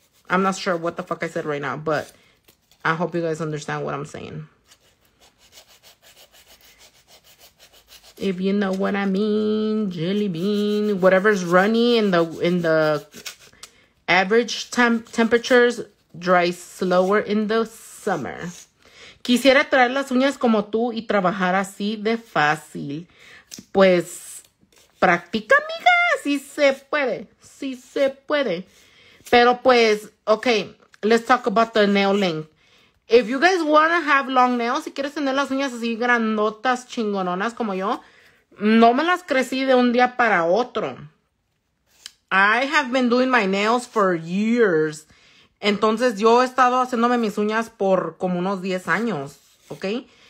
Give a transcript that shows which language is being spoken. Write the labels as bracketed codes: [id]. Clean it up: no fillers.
[en] I'm not sure what the fuck I said right now, but I hope you guys understand what I'm saying. If you know what I mean, jelly bean. Whatever's runny in the average temperatures dries slower in the summer. [es] Quisiera traer las uñas como tú y trabajar así de fácil. Pues, practica, amiga. Sí se puede. Sí se puede. Pero pues, [en] okay, let's talk about the nail length. If you guys want to have long nails, [es] si quieres tener las uñas así grandotas, chingononas como yo, no me las crecí de un día para otro. [en] I have been doing my nails for years. [es] Entonces, yo he estado haciéndome mis uñas por como unos 10 años, okay?